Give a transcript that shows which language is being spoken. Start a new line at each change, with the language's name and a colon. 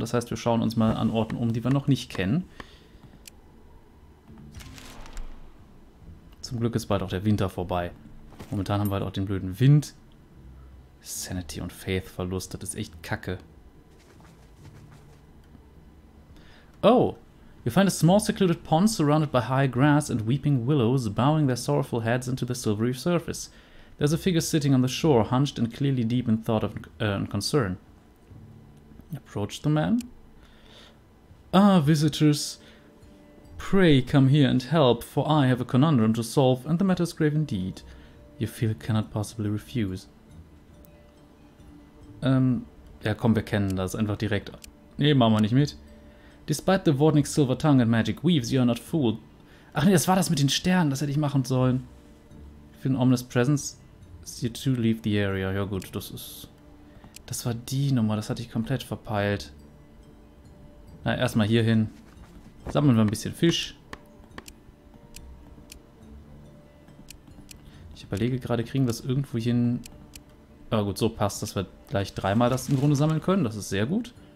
German: Das heißt, wir schauen uns mal an Orten um, die wir noch nicht kennen. Zum Glück ist bald auch der Winter vorbei. Momentan haben wir halt auch den blöden Wind. Sanity und Faith Verlust, das ist echt kacke.
English: Oh, you find a small secluded pond surrounded by high grass and weeping willows bowing their sorrowful heads into the silvery surface. There's a figure sitting on the shore, hunched and clearly deep in thought of concern. Approach the man. Ah, visitors. Pray come here and help, for I have a conundrum to solve, and the matter is grave indeed. You feel cannot possibly refuse.
German: Ja komm, wir kennen das einfach direkt. Nee, machen wir nicht mit.
English: Despite the Vordnik's silver tongue and magic weaves, you are not fooled.
German: Ach nee, das war das mit den Sternen, das hätte ich machen sollen.
English: Für an ominous presence, see to leave the area.
German: Ja gut, das ist... Das war die Nummer, das hatte ich komplett verpeilt. Na, erstmal hier hin. Sammeln wir ein bisschen Fisch. Ich überlege gerade, kriegen wir es irgendwo hin... Ah gut, so passt, dass wir gleich dreimal das im Grunde sammeln können. Das ist sehr gut.